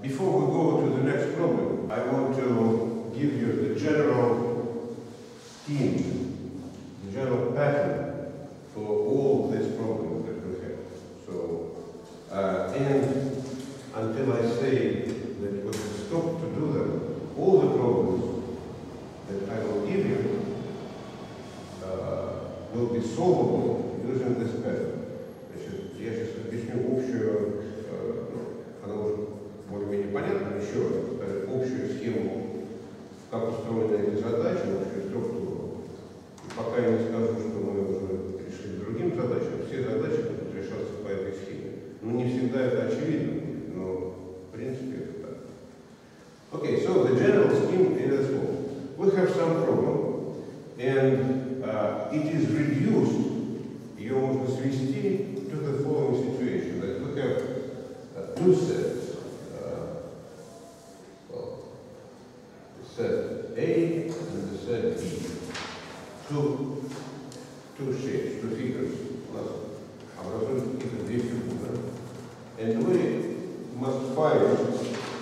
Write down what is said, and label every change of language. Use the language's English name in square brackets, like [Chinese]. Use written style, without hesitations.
[English] Before we go to the next problem, I want to give you the general theme, the general pattern for all these problems that we have. So, and until I say that we can stop to do them, all the problems that I will give you will be solvable using this pattern. [Russian] Я сейчас объясню общую, она уже более-менее понятна, еще общую схему, как устроены эти задачи, общую структуру. И пока я не скажу, что мы уже пришли к другим задачам, все задачи будут решаться по этой схеме. Ну, не всегда это очевидно, но в принципе это так. [English] Okay, so the general scheme is as follows. We have some problem, and it is reduced, [Russian] ее можно свести, [English] the following situation, that we have two sets, the set A and the set B, two shapes, two figures, plus [Russian] образуют две фигуры, [English] and we must find